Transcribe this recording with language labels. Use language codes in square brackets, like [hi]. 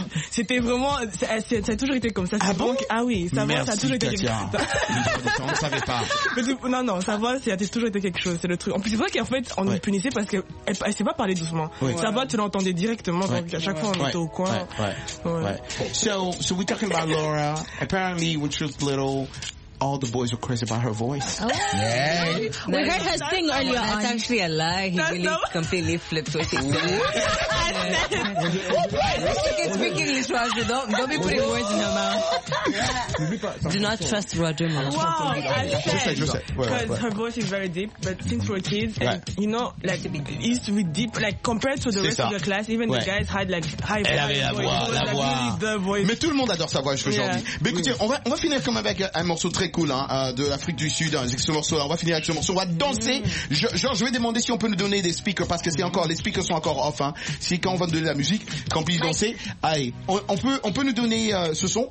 [fr] C'était vraiment. Ça a toujours été comme ça. Ah bon? Donc, ah oui, sa voix, ça a toujours été. On ne savait pas. Non, sa voix, ça a toujours été quelque chose. C'est le truc. En plus, c'est vrai qu'en fait, on nous punissait parce qu'elle ne sait pas parler doucement. Oui. Sa voix, tu l'entendais directement. Donc, à chaque fois, on était au coin. [en] So, we're talking about Laura. Apparently, when she was little, all the boys were crazy about her voice. Oh. Yay. We heard her sing earlier. That's actually a lie. He really completely flipped what he said. Don't be putting words in her mouth. Do not trust Roger Moore. Wow, because her voice is very deep, but since we're kids, and you know, like, it used to be deep, like, compared to the rest of the class, even the guys had, like, high voice. [fr] Elle avait la voix, Mais tout le monde adore sa voix aujourd'hui. Mais écoutez, on va finir comme avec un morceau très cool, hein, de l'Afrique du Sud, hein, ce morceau-là. On va finir avec ce morceau. On va danser. Je vais demander si on peut nous donner des speakers, parce que c'est encore, les speakers sont encore off, hein. C'est quand on va nous donner la musique, qu'on puisse danser. Allez, on peut nous donner ce son.